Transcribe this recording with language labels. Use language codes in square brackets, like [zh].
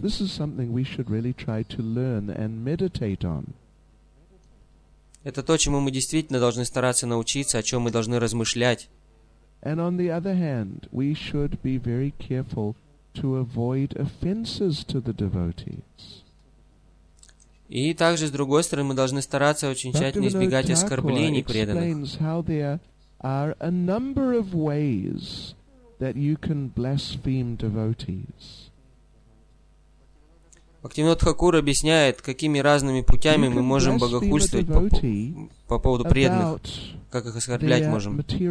[en] This is something we should really try to learn and meditate on. [ru] Это то, чему мы действительно должны стараться научиться, о чем мы должны размышлять. [en] And on the other hand, we should be very careful to avoid offenses to the devotees. [ru] И также, с другой стороны, мы должны стараться очень тщательно избегать оскорблений преданных. Бхактивинод Тхакур объясняет, какими разными путями мы можем богохульствовать по поводу преданных, как их оскорблять можем.